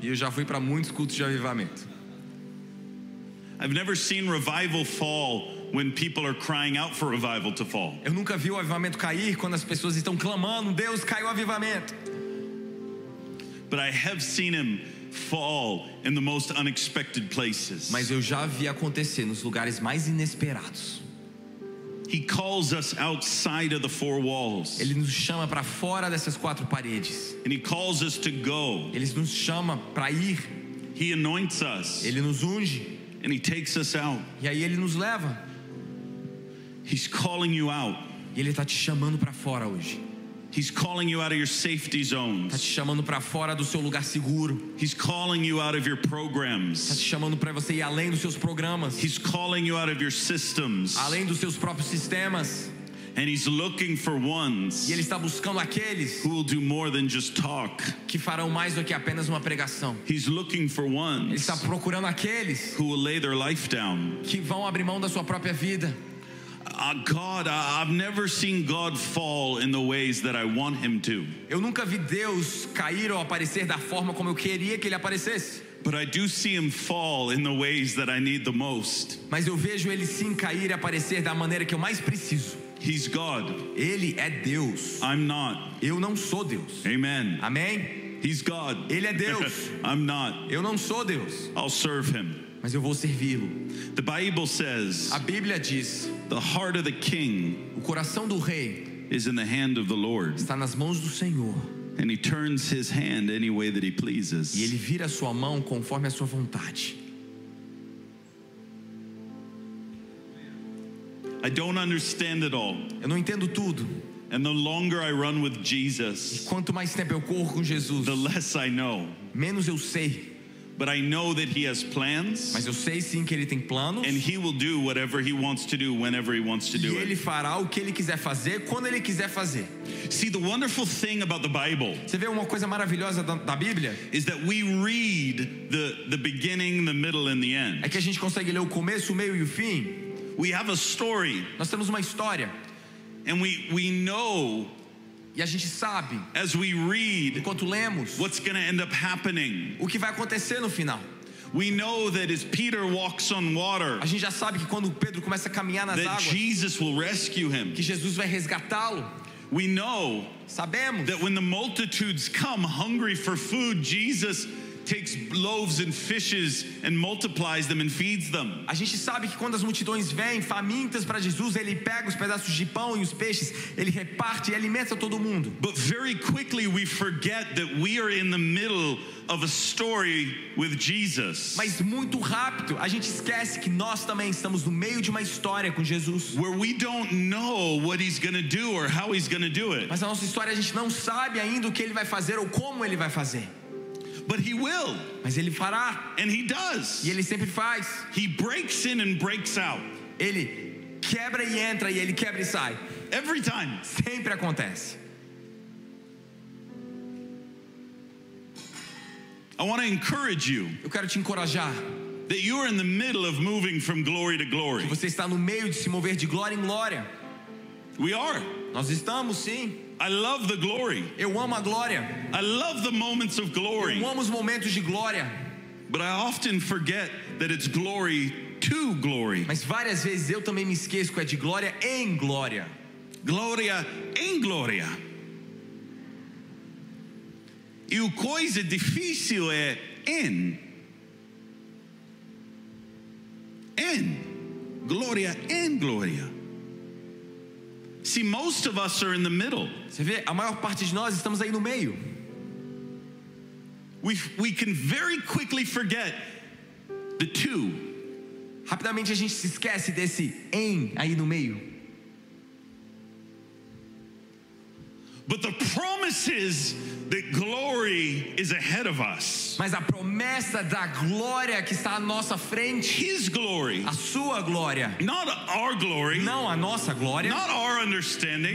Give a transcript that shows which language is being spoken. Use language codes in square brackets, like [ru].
[pt] E eu já fui para muitos cultos de avivamento. [en] I've never seen revival fall when people are crying out for revival to fall. [pt] Eu nunca vi o avivamento cair quando as pessoas estão clamando, Deus, caiu o avivamento. [en] But I have seen him fall in the most unexpected places. [pt] Mas eu já vi acontecer nos lugares mais inesperados. [en] He calls us outside of the four walls. [pt] Ele nos chama para fora dessas quatro paredes. [en] And he calls us to go. [pt] Ele nos chama para ir. [en] He anoints us. [pt] Ele nos unge. [en] And he takes us out. [pt] E aí ele nos leva. [en] He's calling you out. [pt] E ele tá te chamando para fora hoje. [en] He's calling you out of your safety zones. [pt] Tá te chamando para fora do seu lugar seguro. [en] He's calling you out of your programs. [pt] Tá te chamando para você ir além dos seus programas. [en] He's calling you out of your systems. [pt] Além dos seus próprios sistemas. [en] And he's looking for ones. [pt] E ele está buscando aqueles [en] who will do more than just talk. [pt] Que farão mais do que apenas uma pregação. [en] He's looking for ones. [pt] Ele está procurando aqueles [en] who will lay their life down. [pt] Que vão abrir mão da sua própria vida. [en] God, I've never seen God fall in the ways that I want him to. [pt] Eu nunca vi Deus cair ou aparecer da forma como eu queria que ele aparecesse. [en] But I do see him fall in the ways that I need the most. [pt] Mas eu vejo ele sim cair e aparecer da maneira que eu mais preciso. [en] He's God. [pt] Ele é Deus. [en] I'm not. [pt] Eu não sou Deus. [en] Amen. [pt] Amém. [en] He's God. [pt] Ele é Deus. [en] I'm not. [pt] Eu não sou Deus. [en] I'll serve him. [pt] Mas eu vou servi-lo. [en] The Bible says. [pt] A Bíblia diz. [en] The heart of the king. [pt] O coração do rei. [en] Is in the hand of the Lord. [pt] Está nas mãos do Senhor. [en] And he turns his hand any way that he pleases. [pt] E ele vira a sua mão conforme a sua vontade. [en] I don't understand it all. [pt] Eu não entendo tudo. [en] And the longer I run with Jesus. [pt] E quanto mais tempo eu corro com Jesus. [en] The less I know. [pt] Menos eu sei. [en] But I know that he has plans. [pt] Mas eu sei sim que ele tem planos. [en] And he will do whatever he wants to do whenever he wants to do it. [pt] E ele fará o que ele quiser fazer quando ele quiser fazer. [en] See the wonderful thing about the Bible. [pt] Você vê uma coisa maravilhosa da Bíblia? [en] Is that we read the beginning, the middle and the end. [pt] É que a gente consegue ler o começo, o meio e o fim. [en] We have a story. [pt] Nós temos uma história. [en] And we know. [pt] E a gente sabe, [en] as we read, [pt] enquanto lemos, [en] what's going to end up happening. [pt] O que vai acontecer no final. [en] We know that as Peter walks on water, [pt] a gente já sabe que quando Pedro começa a caminhar nas [en] that [pt] águas, [en] Jesus will rescue him. [pt] Que Jesus vai resgatá-lo. [en] We know, [pt] sabemos, [en] that when the multitudes come hungry for food, Jesus takes loaves and fishes and multiplies them and feeds them. [pt] A gente sabe que quando as multidões vêm famintas para Jesus, ele pega os pedaços de pão e os peixes, ele reparte e alimenta todo mundo. [en] But very quickly we forget that we are in the middle of a story with Jesus. [pt] Mas muito rápido a gente esquece que nós também estamos no meio de uma história com Jesus. [en] Where we don't know what he's going to do or how he's going to do it. [pt] Mas a nossa história a gente não sabe ainda o que ele vai fazer ou como ele vai fazer. [en] But he will. [pt] Mas ele fará. [en] And he does. [pt] E ele sempre faz. [en] He breaks in and breaks out. [pt] Ele quebra e entra e ele quebra e sai. [en] Every time. [pt] Sempre acontece. [en] I want to encourage you. [pt] Eu quero te encorajar. [en] That you are in the middle of moving from glory to glory. [pt] Que você está no meio de se mover de glória em glória. [en] We are. [pt] Nós estamos, sim. [en] I love the glory. [pt] Eu amo a glória. [en] I love the moments of glory. [pt] Eu amo os momentos de glória. [en] But I often forget that it's glory to glory. [pt] Mas várias vezes eu também me esqueço que é de glória em glória. Glória em glória. E o coisa difícil é em. Em. glória em glória. [en] See, most of us are in the middle. [pt] Você vê, a maior parte de nós estamos aí no meio. [en] We can very quickly forget the two. [pt] Rapidamente a gente se esquece desse em aí no meio. [en] But the promise is that glory is ahead of us. [pt] Mas a promessa da glória que está à nossa frente. [en] His glory. [pt] A sua glória. [en] Not our glory. [pt] Não a nossa glória. [en] Not our understanding.